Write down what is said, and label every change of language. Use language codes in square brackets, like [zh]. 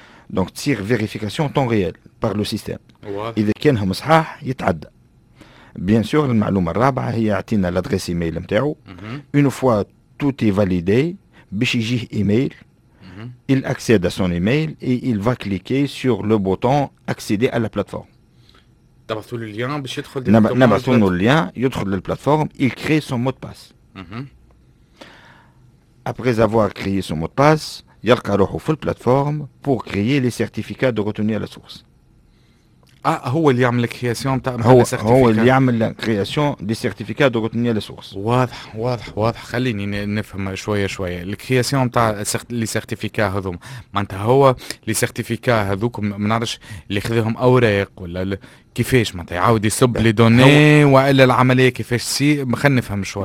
[ar] دونك تصير فيريفيكاسيون طون ريال بار لو سيستيم اذا كانهم صحاح يتعدى بيان سور المعلومه الرابعه هي يعطينا لادريس ايميل نتاعو اون فوا توتي فاليدي باش يجيه ايميل [fr] il accède à son email et il va cliquer sur le bouton accéder à la plateforme [ar] تبعثوا له اللين باش يدخل نبعثوا له اللين يدخل للبلاتفورم [fr] il crée son mot de passe après avoir créé son mot de passe [ar] يلقى روحه في البلاتفورم [fr] pour créer les certificats de retenue à la source. [ar] اه هو اللي يعمل الكرياسيون تاع هو السيرتيفيكا هو اللي يعمل الكرياسيون دي سيرتيفيكات دو روتوني على سورس واضح واضح واضح خليني نفهم شويه شويه الكرياسيون تاع لي سيرتيفيكا هذوما معناتها هو لي سيرتيفيكا هذوك ما نعرفش اللي خذهم اوراق ولا كيفاش معناتها يعاود يصب لي دوني والا العمليه كيفاش سي خلينا نفهم شويه